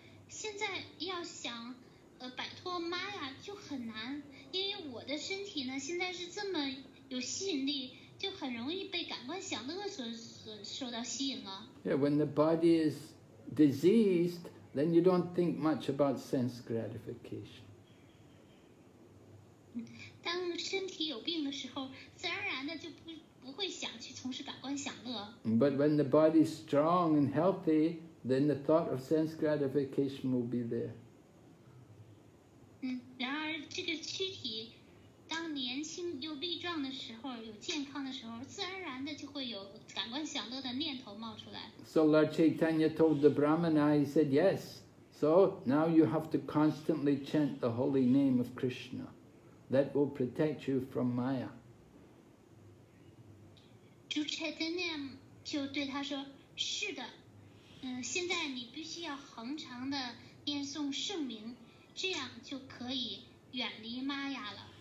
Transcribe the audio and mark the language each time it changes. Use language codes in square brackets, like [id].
[zh] 现在要想摆脱妈呀就很难，因为我的身体呢现在是这么有吸引力，就很容易被感官享乐所受到吸引了。 [en] Yeah, when the body is diseased, then you don't think much about sense gratification. [zh] 当身体有病的时候，自然而然的就不会想去从事感官享乐。 [en] But when the body is strong and healthy, then the thought of sense gratification will be there. [zh] 然而这个躯体当年轻又力壮的时候，有健康的时候，自然而然的就会有感官享乐的念头冒出来。 [en] So Lord Chaitanya told the Brahmana, he said, yes, so now you have to constantly chant the holy name of Krishna. That will protect you from Maya. [zh] 主 Chaitanya 就对他说，是的，现在你必须要恒常的念诵圣名，这样就可以远离 Maya 了。